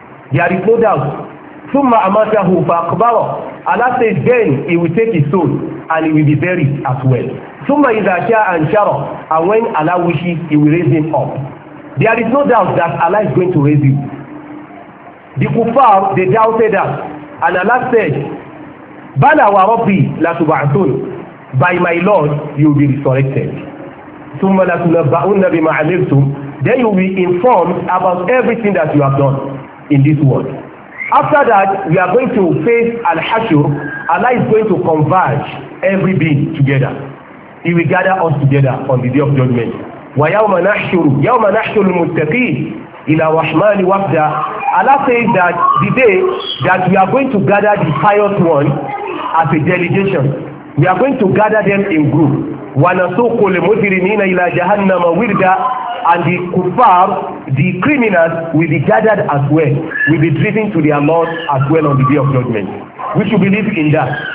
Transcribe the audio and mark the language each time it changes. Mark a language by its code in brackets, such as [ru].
[en] There is no doubt. [ar] ثُمَّ أَمَاتَهُ فَأَقْبَرَهُ. [en] Allah says, then he will take his soul and he will be buried as well. [ar] ثُمَّ إِذَا شَاءَ أَنْشَرَهُ. [en] And when Allah wishes, he will raise him up. There is no doubt that Allah is going to raise him. The kuffar, they doubted that. And Allah said, [ar] بَلَا وَرَبِّي لَتُبَعْثُونَ. [en] By my Lord, you will be resurrected. [ar] ثُمَّ لَتُنَبَّأُنَّ بِمَا عَمِلْتُمْ. [en] Then you will be informed about everything that you have done in this world. After that, we are going to face Al-Hashr. Allah is going to converge every being together. He will gather us together on the day of judgment. [ar] وَيَوْمَ نَحْشُرُ الْمُتَّقِينَ إِلَى الرَّحْمَنِ وَفْدًا. [en] Allah says that the day that we are going to gather the pious one as a delegation, we are going to gather them in group. [ar] وَنَسُوقُ الْمُجْرِمِينَ إِلَى جَهَنَّمَ وِرْدًا. [en] And the kuffar, the criminals, will be gathered as well, will be driven to their lord as well on the day of judgment. We should believe in that.